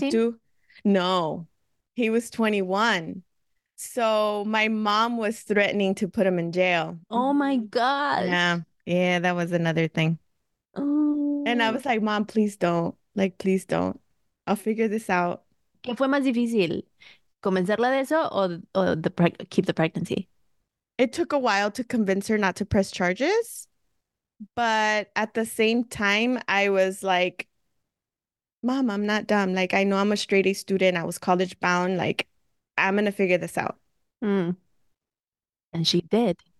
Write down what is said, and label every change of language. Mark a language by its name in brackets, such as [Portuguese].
[English] 16? do. No, he was 21. So my mom was threatening to put him in jail. Oh my gosh. Yeah, that was another thing. And I was like, Mom, please don't. Like, please don't. I'll figure this out. [Spanish] ¿Qué fue más difícil? ¿Convencerla de eso o [English] the pre keep the pregnancy? It took a while to convince her not to press charges, but at the same time, I was like, Mom, I'm not dumb. Like, I know I'm a straight A student. I was college bound. Like, I'm gonna figure this out. And she did.